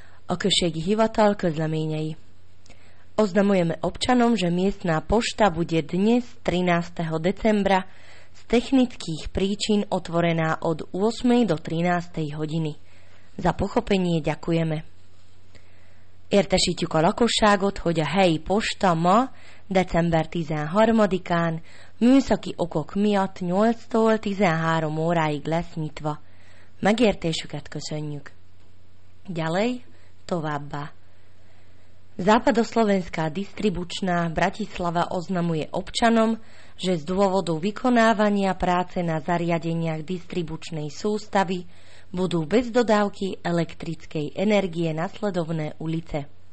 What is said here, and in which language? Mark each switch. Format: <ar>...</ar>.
<hu>Okresný hivatal közleményei.</hu> <sk>Oznamujeme občanom, že miestná pošta bude dnes 13. decembra z technických príčin otvorená od 8. do 13. hodiny. Za pochopenie ďakujeme.</sk> <hu>Értesítjük a lakosságot, hogy a helyi posta ma, december 13-án, műszaki okok miatt 8-tól 13 óráig lesz nyitva. Megértésüket köszönjük.</hu> <sk>Ďalej,</sk> <hu>továbbá.</hu> <sk>Západoslovenská distribučná Bratislava oznamuje občanom, že z dôvodu vykonávania práce na zariadeniach distribučnej sústavy budú bez dodávky elektrickej energie nasledovné ulice.</sk>